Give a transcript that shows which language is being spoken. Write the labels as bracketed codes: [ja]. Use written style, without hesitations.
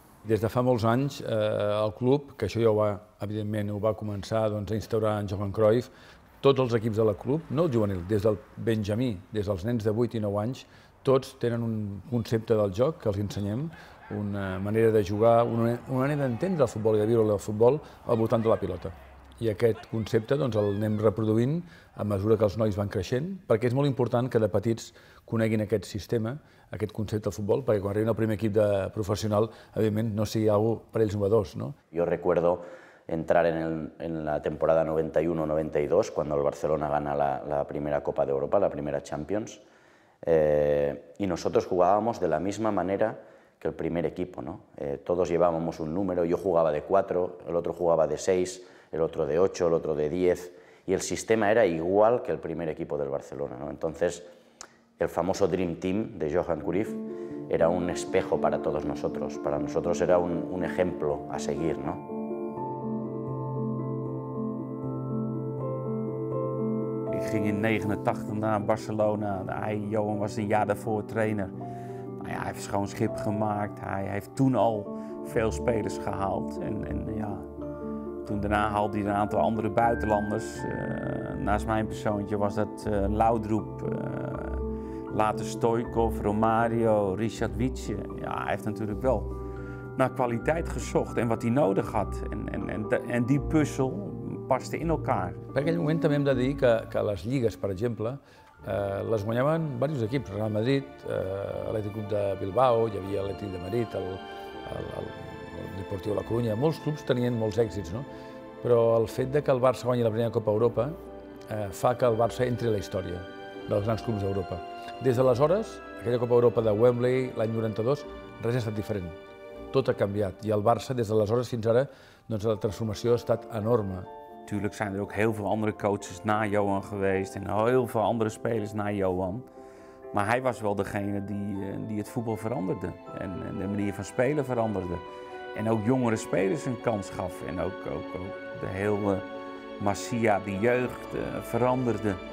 [ca] Des de fa molts anys, el club, que això ja ho va, evidentment, ho va començar doncs, a instaurar en Johan Cruyff, tots els equips de la club, no el juvenil, des del Benjamí, des dels nens de 8 i 9 anys, tots tenen un concepte del joc que els ensenyem, una manera de jugar, una manera d'entendre el futbol i de viure el futbol al voltant de la pilota. I aquest concepte doncs, el anem reproduint a mesura que els nois van creixent, perquè és molt important que de petits coneguin aquest sistema, aquest concepte del futbol, perquè quan arriben al primer equip de professional, evidentment no sigui algo per ells novedós. No? Jo recordo entrar en la temporada [es] 91-92, cuando el Barcelona gana la primera Copa de Europa, la primera Champions, y nosotros jugábamos de la misma manera que el primer equipo, ¿no? Todos llevábamos un número, yo jugaba de 4, el otro jugaba de 6, el otro de 8, el otro de 10, y el sistema era igual que el primer equipo del Barcelona, ¿no? Entonces, el famoso Dream Team de Johan Cruyff era un espejo para todos nosotros, para nosotros era un ejemplo a seguir, ¿no? [nl] Ik ging in 1989 naar Barcelona. Johan was een jaar daarvoor trainer. Nou ja, hij heeft schoon schip gemaakt. Hij heeft toen al veel spelers gehaald. En ja, toen daarna haalde hij een aantal andere buitenlanders. Naast mijn persoontje was dat Laudrup. Later Stoikov, Romario, Richard Wietje. Ja, hij heeft natuurlijk wel naar kwaliteit gezocht en wat hij nodig had. En die puzzel paste in elkaar. [ca] Per aquell moment també hem de dir que les lligues, per exemple, les guanyaven diversos equips. Real Madrid, l'Atlètic Club de Bilbao, hi havia l'Atlètic de Madrid, el Deportiu de la Coruña, molts clubs tenien molts èxits, no? Però el fet de que el Barça guanyi la primera Copa Europa fa que el Barça entri a la història dels grans clubs d'Europa. Des d'aleshores, aquella Copa Europa de Wembley l'any 92, res ha estat diferent. Tot ha canviat i el Barça, des d'aleshores fins ara, doncs la transformació ha estat enorme. [nl] Natuurlijk zijn er ook heel veel andere coaches na Johan geweest en heel veel andere spelers na Johan. Maar hij was wel degene die het voetbal veranderde en de manier van spelen veranderde. En ook jongere spelers een kans gaf en ook de hele Masia, de jeugd, veranderde.